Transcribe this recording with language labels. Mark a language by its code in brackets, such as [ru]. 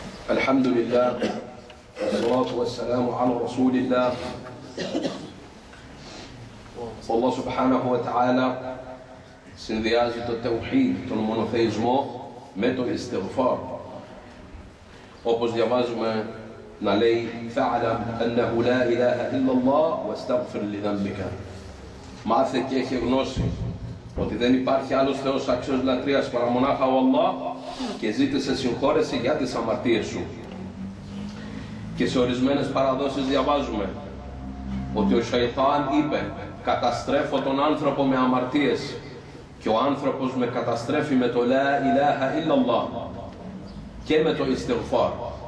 [ar] الحمد لله والصلاة والسلام على رسول الله. والله سبحانه وتعالى [el] συνδυάζει το τεουχίδ, τον μονοθεϊσμό, με το ιστιγφάρ. Όπως διαβάζουμε να λέει: [ar] «فَعْلَمْ أَنَّهُ لَا إِلَهَ إِلَّا اللَّهُ وَاسْتَغْفِرْ لِذَنْبِكَ». [el] Μάθε και έχει γνώση ότι δεν υπάρχει άλλος Θεός αξιός λατρείας παρά μονάχα ο Αλλάχ και ζήτησε συγχώρεση για τις αμαρτίες σου. Και σε ορισμένες παραδόσεις διαβάζουμε ότι ο Σαϊτάν είπε: «Καταστρέφω τον άνθρωπο με αμαρτίες και ο άνθρωπος με καταστρέφει με το «Λα ηλάχα ηλαλλά» και με το ιστιγφάρ».